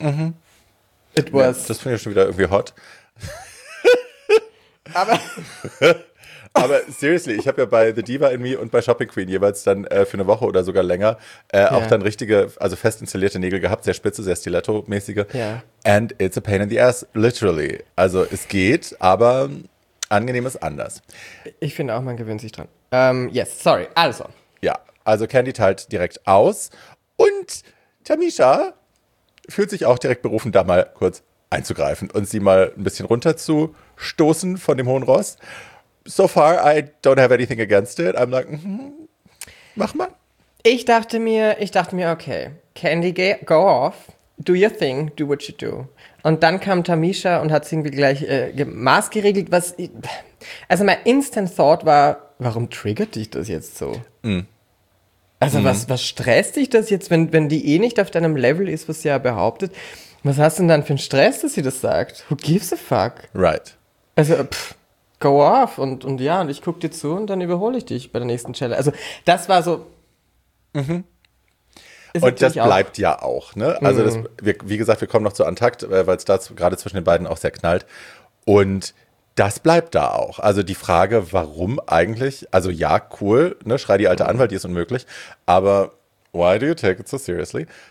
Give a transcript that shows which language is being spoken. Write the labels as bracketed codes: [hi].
[en] Mhm. It was. [de] Ja, das finde ich schon wieder irgendwie hot. Aber [en] seriously, [de] ich habe ja bei The Diva in Me und bei Shopping Queen jeweils dann für eine Woche oder sogar länger auch dann richtige, also fest installierte Nägel gehabt, sehr spitze, sehr Stiletto-mäßige. [en] Yeah. And it's a pain in the ass, literally. [de] Also es geht, aber angenehm ist anders. Ich finde auch, man gewöhnt sich dran. [en] Yes, sorry. Also. [de] Ja, also Candy teilt direkt aus und Tamisha fühlt sich auch direkt berufen, da mal kurz einzugreifen und sie mal ein bisschen runterzustoßen von dem hohen Ross. [en] so far, I don't have anything against it. I'm like, [de] mach mal. Ich dachte mir, [en] okay, Candy, go off, do your thing, do what you do. [de] Und dann kam Tamisha und hat es irgendwie gleich maßgeregelt. Also mein [en] instant thought [de] war, warum triggert dich das jetzt so? Was stresst dich das jetzt, wenn die eh nicht auf deinem Level ist, was sie ja behauptet? Was hast du denn dann für einen Stress, dass sie das sagt? [en] Who gives a fuck? Right. Also, go off. [de] Und ja, und ich gucke dir zu und dann überhole ich dich bei der nächsten Challenge. Also, das war so. Und das bleibt auch. Ja auch, ne? Also, wie gesagt, wir kommen noch zu Antakt, weil es da gerade zwischen den beiden auch sehr knallt. Und das bleibt da auch. Also die Frage, warum eigentlich? Also ja, cool, ne? Schrei die alte an, weil die ist unmöglich. Aber [en] why do you take it so seriously?